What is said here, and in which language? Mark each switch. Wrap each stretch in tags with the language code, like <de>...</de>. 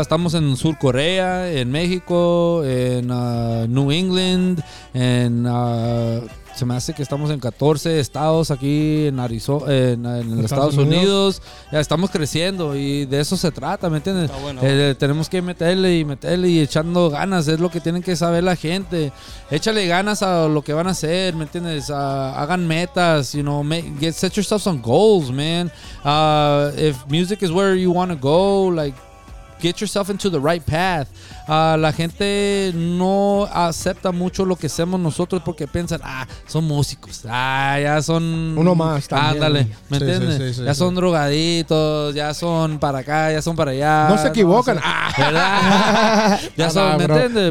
<es>Estamos en Sur Corea, en México, en New England, en se me hace que estamos en 14 estados aquí en Arizona, en Estados Unidos. Ya estamos creciendo y de eso se trata, ¿me entiendes? Bueno. Tenemos que meterle y echando ganas, es lo que tienen que saber la gente. Échale ganas a lo que van a hacer, ¿me entiendes? Hagan metas,</es> <en>you know, set yourself some goals, man. If music is where you want to go, like, get yourself into the right path.</en> <es>La gente no acepta mucho lo que hacemos nosotros porque piensan, son músicos. Ya son... uno más también. Ándale, ¿me entiendes? Sí, ya son drogaditos, ya son para acá, ya son para allá. No se equivocan. ¿Verdad? Ya son, ¿me entiendes?</es>